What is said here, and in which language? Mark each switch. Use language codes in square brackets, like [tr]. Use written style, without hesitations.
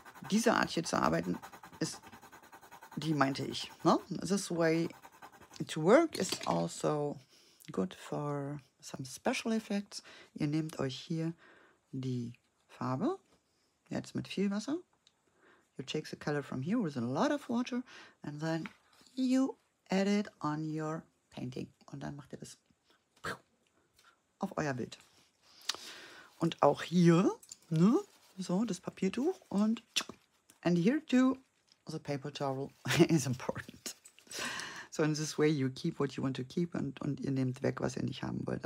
[de] Diese Art hier zu arbeiten, ist, die meinte ich. Ne? [en] This way to work is also good for some special effects. [de] Ihr nehmt euch hier die Farbe, jetzt mit viel Wasser. [en] You take the color from here with a lot of water and then you add it on your painting. [de] Und dann macht ihr das auf euer Bild. Und auch hier, ne, so das Papiertuch und [en] and here too the paper towel is important. So in this way you keep what you want to keep [de] und ihr nehmt weg, was ihr nicht haben wollt.